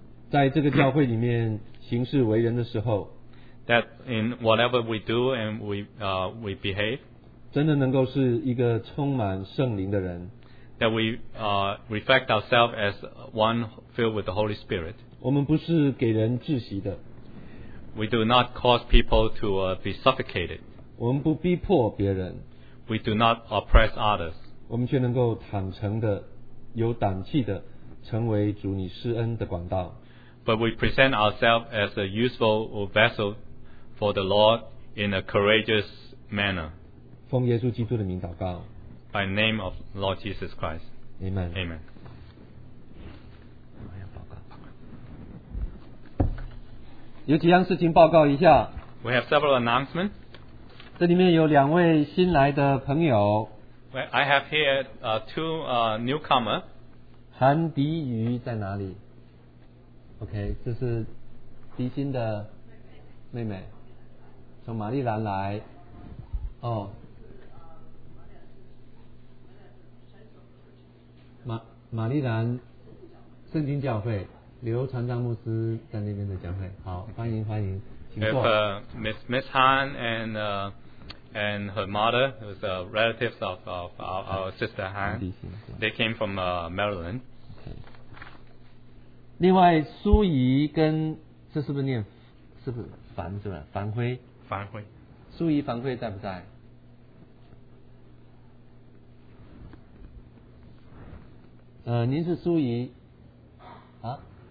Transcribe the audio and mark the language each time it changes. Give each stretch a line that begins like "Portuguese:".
Chinese: 在这个教会里面行事为人的时候
English: ，that in whatever we do and we behave，
Chinese: 真的能够是一个充满圣灵的人
English: ，that we reflect ourselves as one filled with the Holy Spirit。
Chinese: 我们不是给人窒息的
English: We do not cause people to be suffocated.
Chinese: 我们不逼迫别人。
English: We do not oppress others.
Chinese: 我们却能够坦诚的、有胆气的，成为主你施恩的管道。
English: But we present ourselves as a useful vessel for the Lord in a courageous manner.
Chinese: 奉耶稣基督的名祷告。
English: By name of Lord Jesus Christ. Amen. Amen.
Chinese: 有几样事情报告一下。
English: We have several announcements.
Chinese: 这里面有两位新来的朋友。
English: I have here two newcomer.
Chinese: 韩迪瑜在哪里 ？OK， 这是迪欣的妹妹，从玛丽兰来。哦，玛丽兰，圣经教会。刘传章牧师在那边的教会，好，欢迎，请坐。
English: Miss Han and her mother, who's a relative of our sister Han, they came from Maryland. Okay.
Chinese: 另外，苏怡跟这是不是念是不是樊是吧？樊辉。樊辉。苏怡、樊辉在不在？您是苏怡啊？